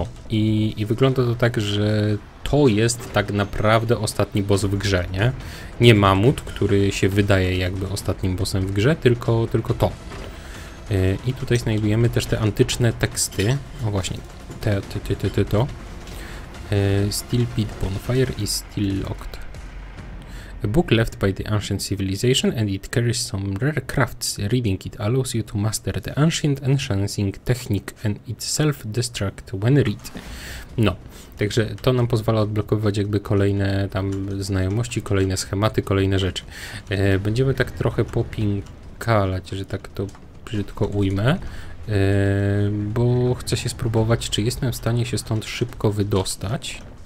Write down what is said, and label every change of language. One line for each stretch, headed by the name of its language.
Polish: I wygląda to tak, że to jest tak naprawdę ostatni boss w grze, nie? Nie mamut, który się wydaje jakby ostatnim bossem w grze, tylko to. I tutaj znajdujemy też te antyczne teksty. O, właśnie.
English: To Steel Pit Bonfire is still locked. A book left by the ancient civilization and it carries some rare crafts. Reading it allows you to master the ancient enchanting technique and it self-destruct when read.
Polish: No, także to nam pozwala odblokowywać jakby kolejne tam znajomości, kolejne schematy, kolejne rzeczy. Będziemy tak trochę popinkalać, że tak to brzydko ujmę. Bo chcę się spróbować, czy jestem w stanie się stąd szybko wydostać.